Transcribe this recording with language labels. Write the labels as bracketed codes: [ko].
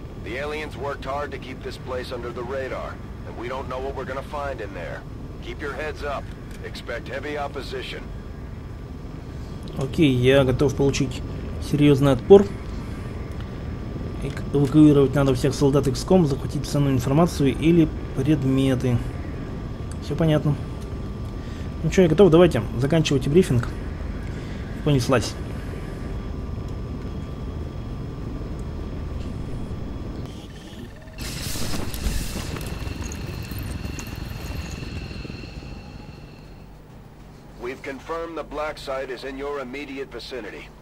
[en] The aliens worked hard to keep this place under the radar, and we don't know what we're gonna find in there. Keep your heads up. Expect heavy opposition. [ru] Окей, я готов получить серьезный отпор. Эвакуировать надо всех солдат XCOM, захватить ценную информацию или предметы. Все понятно. Ну что, я готов, давайте заканчивать брифинг. [en] We've confirmed the black site is in your immediate vicinity.